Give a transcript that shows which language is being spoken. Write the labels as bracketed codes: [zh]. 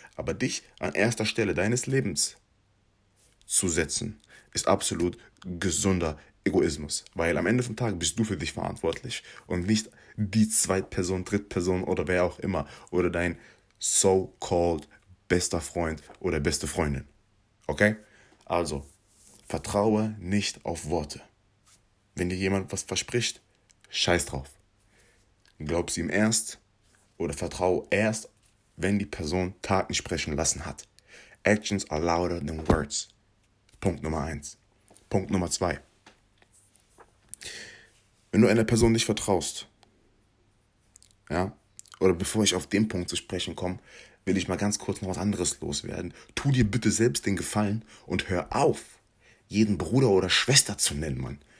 [de] Aber dich an erster Stelle deines Lebens zu setzen, ist absolut gesunder Egoismus, weil am Ende vom Tag bist du für dich verantwortlich und nicht die Zweitperson, Drittperson oder wer auch immer oder dein so-called bester Freund oder beste Freundin. Okay? Also, vertraue nicht auf Worte. Wenn dir jemand was verspricht, scheiß drauf. Glaub's ihm erst oder vertraue erst, wenn die Person Taten sprechen lassen hat. [en] Actions are louder than words. [de] Punkt Nummer 1. Punkt Nummer 2. Wenn du einer Person nicht vertraust, ja, oder bevor ich auf den Punkt zu sprechen komme, will ich mal ganz kurz noch was anderes loswerden. Tu dir bitte selbst den Gefallen und hör auf, jeden Bruder oder Schwester zu nennen, Mann.